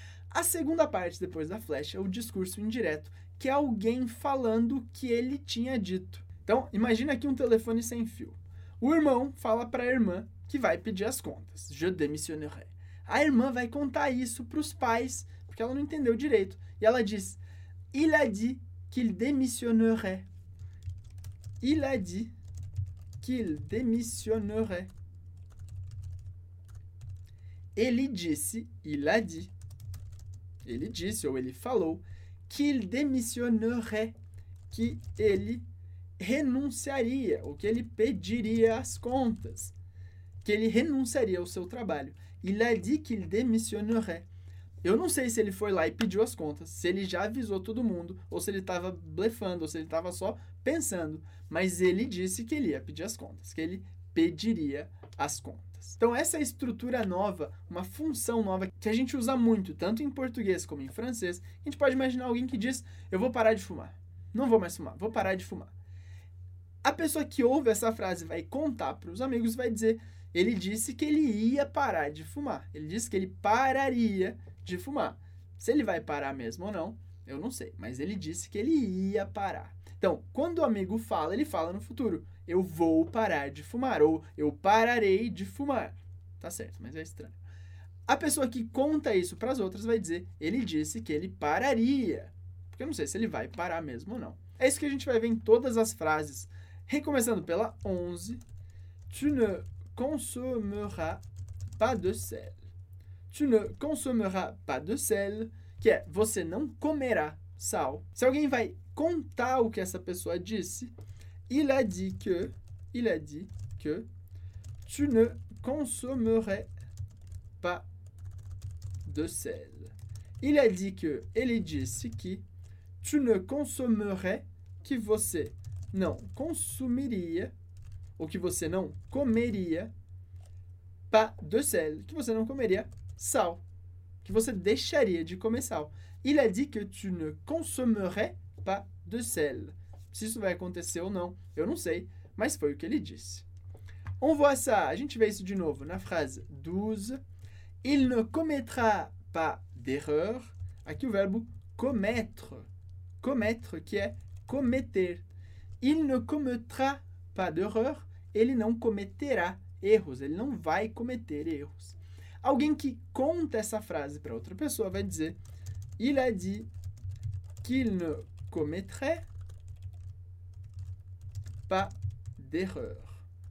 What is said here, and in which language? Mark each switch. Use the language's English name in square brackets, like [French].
[Portuguese] A segunda parte, depois da flecha, é o discurso indireto, que é alguém falando o que ele tinha dito. Então, imagina aqui um telefone sem fio. O irmão fala para a irmã que vai pedir as contas. [French] Je démissionnerai. [Portuguese] A irmã vai contar isso para os pais, porque ela não entendeu direito, e ela diz: [French] Il a dit qu'il démissionnerait. Il a dit qu'il démissionnerait. [Portuguese] Ele disse, [French] il a dit. [Portuguese] Ele disse ou ele falou [French] qu'il démissionnerait, [Portuguese] que ele renunciaria, ou que ele pediria as contas, que ele renunciaria ao seu trabalho. [French] Il a dit qu'il démissionnerait. [Portuguese] Eu não sei se ele foi lá e pediu as contas, se ele já avisou todo mundo, ou se ele estava blefando, ou se ele estava só pensando, mas ele disse que ele ia pedir as contas, que ele pediria as contas. Então, essa é a estrutura nova, uma função nova que a gente usa muito, tanto em português como em francês. A gente pode imaginar alguém que diz: Eu vou parar de fumar. Não vou mais fumar, vou parar de fumar. A pessoa que ouve essa frase vai contar para os amigos, vai dizer: Ele disse que ele ia parar de fumar. Ele disse que ele pararia de fumar. Se ele vai parar mesmo ou não, eu não sei, mas ele disse que ele ia parar. Então, quando o amigo fala, ele fala no futuro: Eu vou parar de fumar, ou eu pararei de fumar. Tá certo, mas é estranho. A pessoa que conta isso para as outras vai dizer: Ele disse que ele pararia. Porque eu não sei se ele vai parar mesmo ou não. É isso que a gente vai ver em todas as frases. Recomeçando pela 11. [French] Tu ne consommeras pas de sel. Tu ne consommeras pas de sel, [Portuguese] que é você não comerá sal. Se alguém vai contar o que essa pessoa disse, [French] il a dit que tu ne consommeras pas de sel. Il a dit que, [Portuguese] ele disse que [French] tu ne consommeras, [Portuguese] que você não consumiria, ou que você não comeria, [French] pas de sel, [Portuguese] que você não comeria sal, que você deixaria de comer sal. [French] Il a dit que tu ne consommerais pas de sel. [Portuguese] Se isso vai acontecer ou não, eu não sei, mas foi o que ele disse. [French] On voit ça, [Portuguese] a gente vê isso de novo na frase 12. [French] Il ne commettra pas d'erreur. [Portuguese] Aqui o verbo commettre. Commettre, que é cometer. [French] Il ne commettra pas d'erreur. [Portuguese] Ele não cometerá erros, ele não vai cometer erros. Alguém que conta essa frase para outra pessoa vai dizer: [French] Il a dit qu'il ne commettrait pas d'erreur.